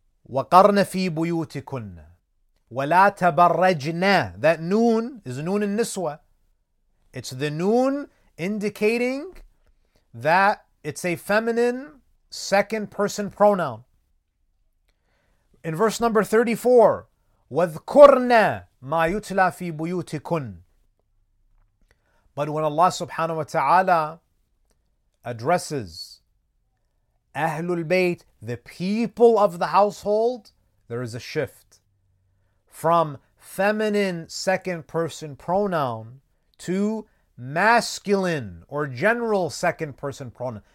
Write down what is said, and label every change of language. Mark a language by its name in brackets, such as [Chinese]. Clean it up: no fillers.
[Arabic] وَقَرْنَ فِي بُيُوتِكُنَّ. وَلَا تَبَرَّجْنَا. [English] That noon is noon in Niswa. It's the noon indicating that it's a feminine second person pronoun. In verse number 34, [Arabic] وَذْكُرْنَا مَا يُتْلَى فِي بُيُوتِكُنْ. [English] But when Allah subhanahu wa ta'ala addresses Ahlul Bayt, the people of the household, there is a shift from feminine second person pronoun to masculine or general second person pronoun.